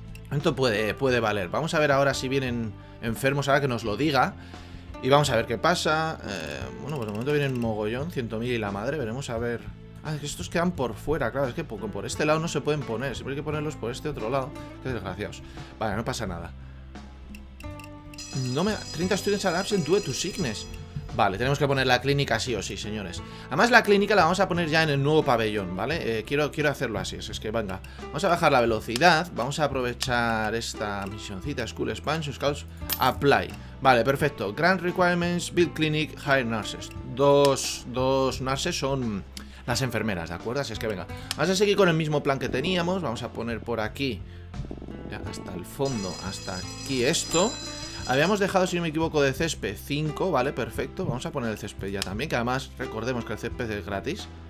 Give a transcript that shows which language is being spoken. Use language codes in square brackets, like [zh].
[es] Esto puede valer. Vamos a ver ahora si vienen enfermos, ahora que nos lo diga. Y vamos a ver qué pasa. Bueno, pues de momento vienen mogollón, 100.000 y la madre. Veremos a ver... ah, es que estos quedan por fuera, claro. Es que por este lado no se pueden poner. Siempre hay que ponerlos por este otro lado. Qué desgraciados. Vale, no pasa nada. No me... [en] 30 students are absent due to sickness. [es] Vale, tenemos que poner la clínica sí o sí, señores. Además, la clínica la vamos a poner ya en el nuevo pabellón, ¿vale? Quiero hacerlo así, es que venga. Vamos a bajar la velocidad, vamos a aprovechar esta misioncita. School Expansion, Scouts, Apply. Vale, perfecto. Grand Requirements, Build Clinic, Hire Nurses. Dos nurses son las enfermeras, ¿de acuerdo? Así es que venga. Vamos a seguir con el mismo plan que teníamos. Vamos a poner por aquí, ya hasta el fondo, hasta aquí esto. Habíamos dejado, si no me equivoco, de césped 5, vale, perfecto. Vamos a poner el césped ya también, que además recordemos que el césped es gratis.